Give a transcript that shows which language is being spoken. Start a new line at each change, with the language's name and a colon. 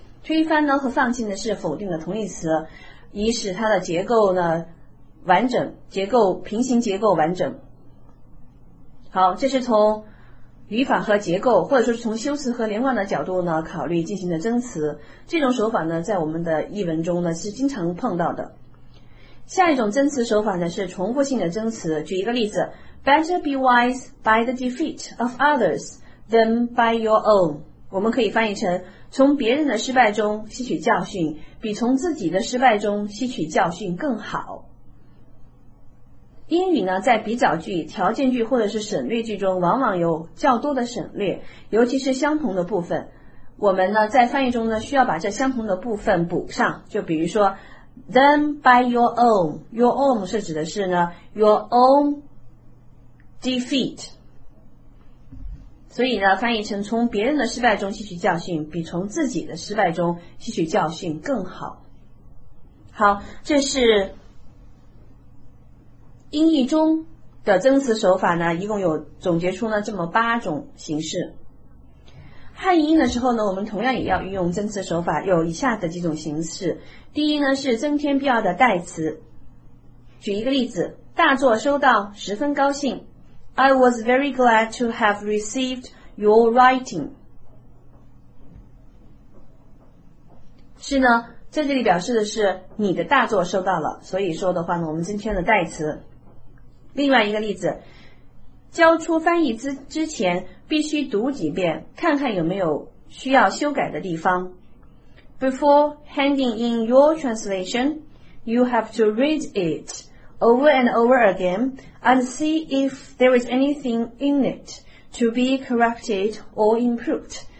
Chinese: 推翻呢和放弃呢是否定的同义词，以使它的结构呢完整，结构平行结构完整。好，这是从语法和结构，或者说是从修辞和连贯的角度呢考虑进行的增词。这种手法呢在我们的译文中呢是经常碰到的。下一种增词手法呢是重复性的增词。举一个例子，
English: Better be wise by the defeat of others than by your own。
Chinese: 我们可以翻译成从别人的失败中吸取教训比从自己的失败中吸取教训更好。英语呢在比较句、条件句或者是省略句中往往有较多的省略，尤其是相同的部分。我们呢在翻译中呢需要把这相同的部分补上，就比如说
English: than by your own， your own
Chinese: 是指的是呢
English: your own defeat。
Chinese: 所以呢翻译成从别人的失败中吸取教训比从自己的失败中吸取教训更好。好，这是英译中的增词手法呢，一共有总结出呢这么八种形式。汉译的时候呢，我们同样也要运用增词手法，有以下的几种形式。第一呢是增添必要的代词。举一个例子，大作收到，十分高兴。
English: I was very glad to have received your writing。
Chinese: 是呢，在这里表示的是你的大作收到了，所以说的话呢我们增添了代词。另外一个例子，交出翻译之前必须读几遍，看看有没有需要修改的地方。
English: Before handing in your translation you have to read itover and over again and see if there is anything in it to be corrected or improved。